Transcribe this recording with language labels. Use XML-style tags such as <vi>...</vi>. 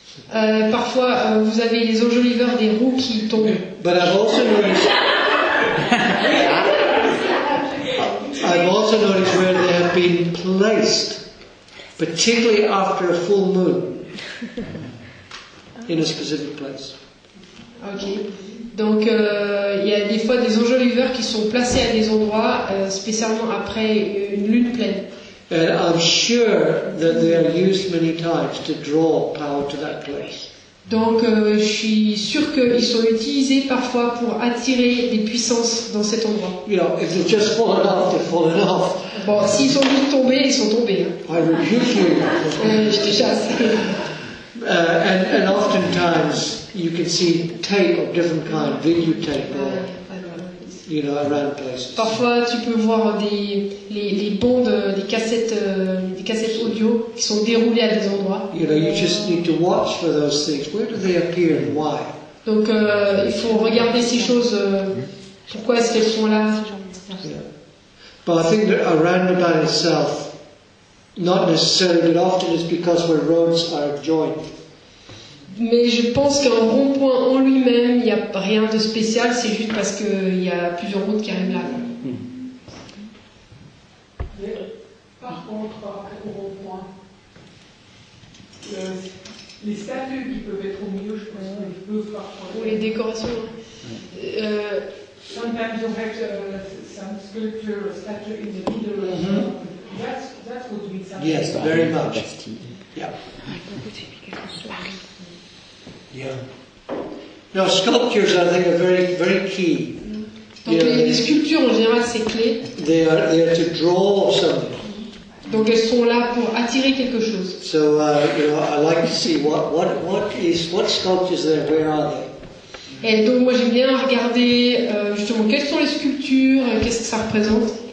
<fr>Parfois, vous avez les enjoliveurs des roues qui tombent.</fr> <en>But I've also noticed. I've also noticed where they have been placed, particularly after a full moon, in a specific place. Okay.</en> <fr>Donc, il y a des fois des enjoliveurs qui sont placés à des endroits, spécialement après une lune pleine.</fr> <en>And I'm sure that they are used many times to draw power to that place.</en> <fr>Donc, je suis sûr qu'ils sont utilisés parfois pour attirer des puissances dans cet endroit.</fr> <en>You know, if they've just fallen off, they've fallen off.</en> <fr>Bon, s'ils sont juste tombés, ils sont tombés.</fr> <en>I rebuke you.</en> <fr>Je te chasse.</fr> <en>And oftentimes, you can see tape of different kinds, videotape, you know, around places.</en> <fr>Parfois, tu peux voir les bandes, des cassettes audio qui sont déroulées à des endroits.</fr> <en>You know, you just need to watch for those things. Where do they appear and why?</en> <fr>Donc, il faut regarder ces choses. Pourquoi est-ce qu'elles sont là?</fr> <en>Yeah. But I think that around about itself, not necessarily, but often it's because where roads are joined.</en> <fr>Mais je pense qu'un rond-point en lui-même, il n'y a rien de spécial, c'est juste parce qu'il y a plusieurs routes qui arrivent là. Mmh. Par contre, un rond-point, les statues qui peuvent être au milieu, je pense qu'on les peut parfois. Oui, les décorations.</fr> <en>Sometimes you have some sculpture or statue in the middle of the room. Mmh. That's what we say. Yes, very much. Yeah. Yeah. Now sculptures, I think, are very, very key.</en> <fr>Donc, les sculptures en général, c'est clé.</fr> <en>They are to draw something.</en> <fr>Donc elles sont là pour attirer quelque chose.</fr> <en>So you know, I like to see what sculptures are there, where are they?</en> <fr>Et donc moi j'aime bien regarder justement quelles sont les sculptures, qu'est-ce que ça représente.</fr>